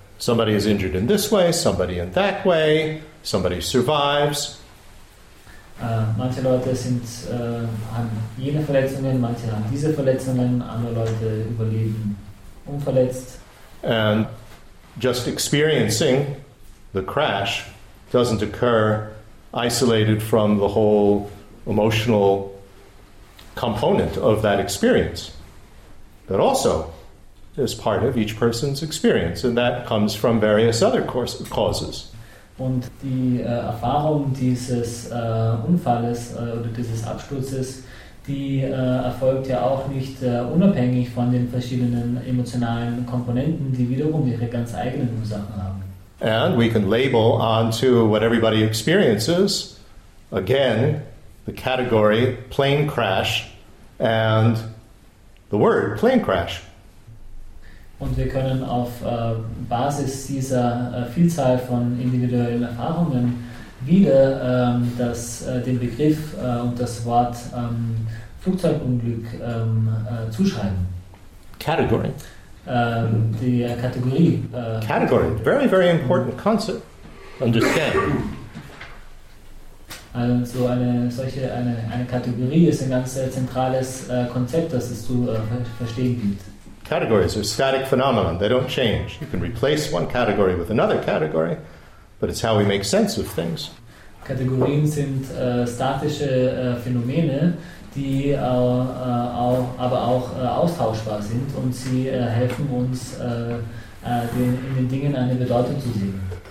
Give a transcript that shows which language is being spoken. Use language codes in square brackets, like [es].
[en] Somebody is injured in this way, somebody in that way, somebody survives. [de] Manche Leute sind, haben jene Verletzungen, manche haben diese Verletzungen, andere Leute überleben unverletzt. [en] And just experiencing the crash doesn't occur isolated from the whole emotional component of that experience, but also is part of each person's experience, and that comes from various other causes. [de] Und die Erfahrung dieses Unfalles oder dieses Absturzes, die erfolgt ja auch nicht unabhängig von den verschiedenen emotionalen Komponenten, die wiederum ihre ganz eigenen Ursachen haben. [en] And we can label onto what everybody experiences, again, the category plane crash and the word plane crash. [de] Und wir können auf Basis dieser Vielzahl von individuellen Erfahrungen wieder den Begriff und das Wort Flugzeugunglück zuschreiben. [en] Category. [de] Die Kategorie. [en] Category. Very, very important concept. Understand. [de] Also eine Kategorie ist ein ganz zentrales Konzept, das es zu verstehen gibt. [en] Categories are static phenomena. They don't change. You can replace one category with another category, but it's how we make sense of things. [de] Kategorien sind statische Phänomene, die aber auch austauschbar sind, und sie helfen uns, in den Dingen eine Bedeutung zu sehen.